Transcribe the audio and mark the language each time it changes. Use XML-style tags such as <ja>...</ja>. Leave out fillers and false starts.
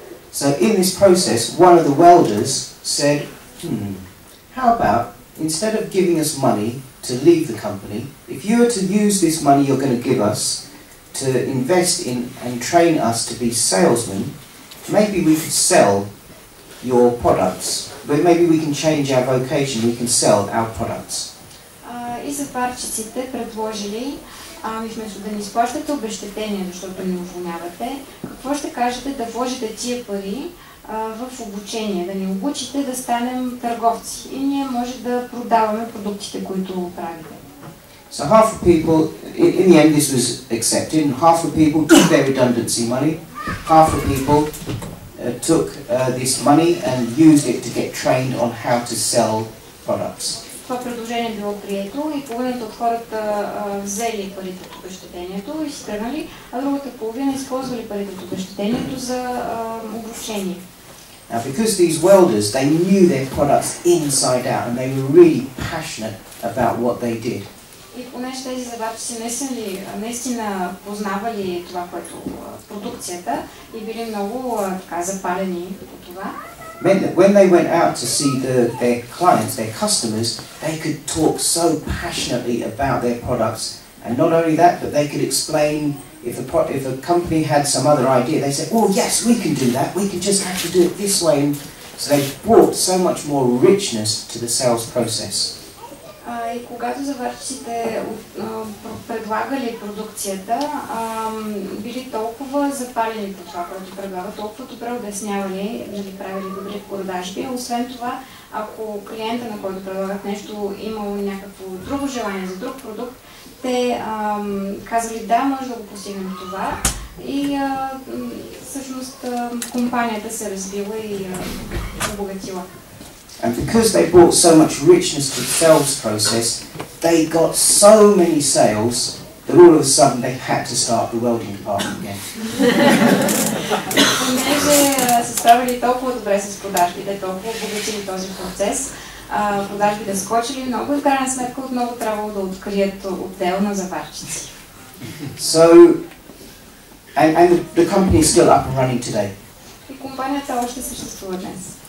<en>So in this process, one of the welders said, how about, instead of giving us money to leave the company, if you were to use this money you're going to give us to invest in and train us to be salesmen, maybe we could sell your products. But maybe we can change our vocation, we can sell our products.</en> <bg>И съпарчиците предложили, вместо да ни изплащате обезщетение, защото ни уволнявате, какво ще кажете да вложите тия пари в обучение, да ни обучите да станем търговци и ние може да продаваме продуктите, които правите.</bg> <en>So half of people, in the end this was accepted, half of people took their redundancy money, half of people took this money and used it to get trained on how to sell products.</en> <bg>Това предложение било прието и половината от хората взели парите от обезщетението и си тръгнали, а другата половина използвали парите от обезщетението за обучение.</bg> <en>Now because these welders, they knew their products inside out and they were really passionate about what they did.</en> <bg>И понеже тези заварчици наистина познавали това, което продукцията и били много така запалени по това.</bg> <en>When they went out to see their clients, their customers, they could talk so passionately about their products. And not only that, but they could explain if a company had some other idea, they said, oh yes, we can do that, we can just have to do it this way. And so they brought so much more richness to the sales process.</en> <bg>И когато заварчиците предлагали продукцията, били толкова запалени по това, което предлагат, толкова добре обяснявали, нали, правили добри продажби. Освен това, ако клиента, на който предлагат нещо, имал някакво друго желание за друг продукт, те казали да, може да го постигнем това. И всъщност компанията се разбила и обогатила.</bg> <en>And because they brought so much richness to the sales process, they got so many sales that all of a sudden they had to start the welding department again.</en> <bg>Понеже се справили толкова добре с продажбите, толкова обогатили този процес, продажбите скочили много и в крайна сметка отново трябвало да открият отдел на заварчици.</bg> <en>So, and the company is still up and running today.</en> <bg>И компанията още съществува днес.</bg>